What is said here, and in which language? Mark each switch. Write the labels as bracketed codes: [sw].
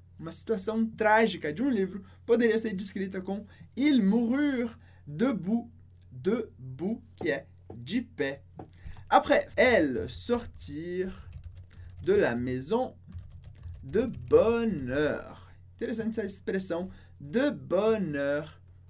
[pt] Uma situação trágica de um livro poderia ser descrita com [fr] ils moururent debout, [pt] que é de pé. [fr] Après, elles sortirent de la maison de bonne heure. [pt] Interessante essa expressão, [fr] de bonne heure.